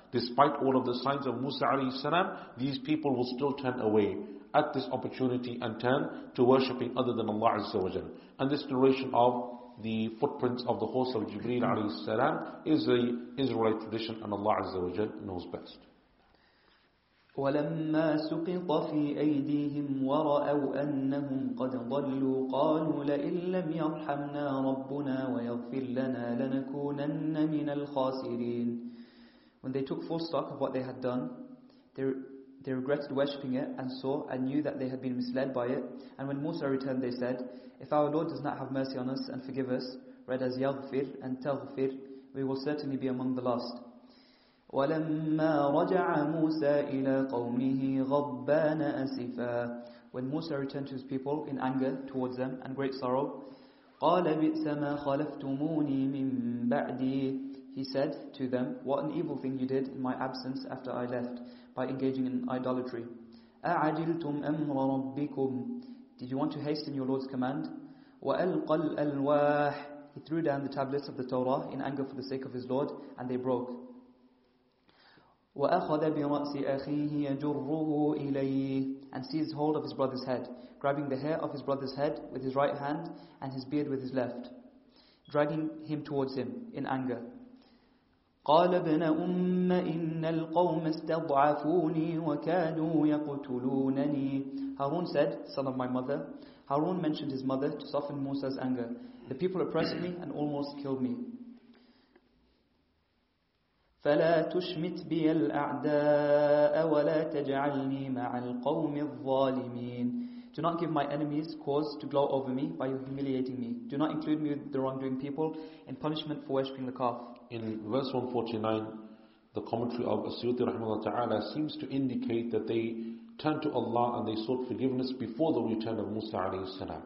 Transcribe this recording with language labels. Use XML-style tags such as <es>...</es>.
<en>Despite all of the signs of Musa alayhi salam, these people will still turn away at this opportunity and turn to worshipping other than Allah Azza wa Jal. And this narration of the footprints of the horse of Jibreel alayhi salam is a Israelite tradition, and Allah Azza wa Jal knows best.</en> <ar>ولما سقط في أيديهم ورأوا أنهم قد ضلوا قالوا لئن لم يرحمنا ربنا ويغفر لنا لنكونن من الخاسرين.</ar> <en>When they took full stock of what they had done, they regretted worshipping it and saw and knew that they had been misled by it. And when Musa returned, they said, if our Lord does not have mercy on us and forgive us, read as Yaghfir and Taghfir, we will certainly be among the lost.</en> <ar>وَلَمَّا رَجَعَ مُوسَى إِلَىٰ قَوْمِهِ غَبَّانَ أَسِفًا.</ar> <en>When Musa returned to his people in anger towards them and great sorrow,</en> <ar>قَالَ بِئْسَ مَا خَلَفْتُمُونِي مِن بَعْدِي.</ar> <en>He said to them, what an evil thing you did in my absence after I left, by engaging in idolatry.</en> <ar>أَعَجِلْتُمْ أَمْرَ رَبِّكُمْ.</ar> <en>Did you want to hasten your Lord's command?</en> <ar>وَأَلْقَ الْأَلْوَاحِ.</ar> <en>He threw down the tablets of the Torah in anger for the sake of his Lord, and they broke.</en> <ar>وَأَخَذَ بِرَأْسِ أَخِيهِ يَجُرُّهُ إِلَيْهِ.</ar> <en>And seized hold of his brother's head, grabbing the hair of his brother's head with his right hand and his beard with his left, dragging him towards him in anger.</en> <ar>قال ابن أم إن القوم استضعفوني وكادوا يقتلونني.</ar> <en>Harun said, son of my mother. Harun mentioned his mother to soften Musa's anger. The people oppressed me and almost killed me.</en> <ar>فلا تشمت بي الأعداء ولا تجعلني مع القوم الظالمين.</ar> <en>Do not give my enemies cause to glow over me by humiliating me. Do not include me with the wrongdoing people in punishment for worshipping the calf. In verse 149, the commentary of Asyuti rahimahullah ta'ala seems to indicate that they turned to Allah and they sought forgiveness before the return of Musa alayhi salam.</en>